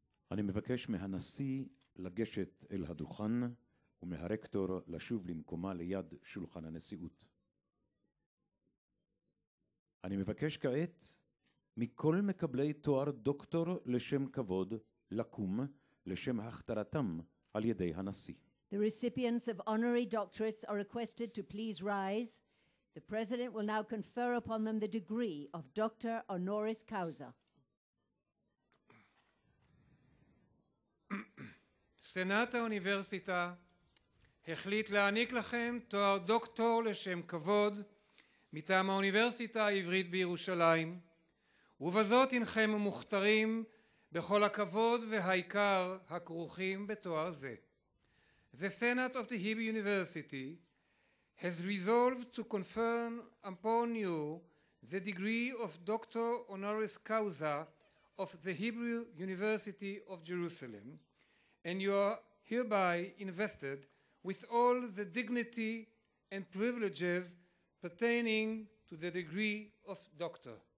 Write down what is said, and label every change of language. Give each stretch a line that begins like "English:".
Hebrew: אני מבקש מהנשיא לגשת אל הדוכן ומהרקטור לשוב למקומה ליד שולחן הנשיאות. אני מבקש כעת מכל מקבלי תואר דוקטור לשם כבוד לקום לשם הכתרתם על ידי הנשיא.
English: The recipients of honorary doctorates are requested to please rise. The president will now confer upon them the degree of doctor honoris causa.
Hebrew: סנאט האוניברסיטה החליט להעניק לכם תואר דוקטור לשם כבוד מטעם האוניברסיטה העברית בירושלים, ובזאת אינכם מוכתרים בכל הכבוד והעיקר הכרוכים בתואר זה.
English: The Senate of the Hebrew University has resolved to confer upon you the degree of Doctor Honoris Causa of the Hebrew University of Jerusalem, and you are hereby invested with all the dignity and privileges pertaining to the degree of Doctor.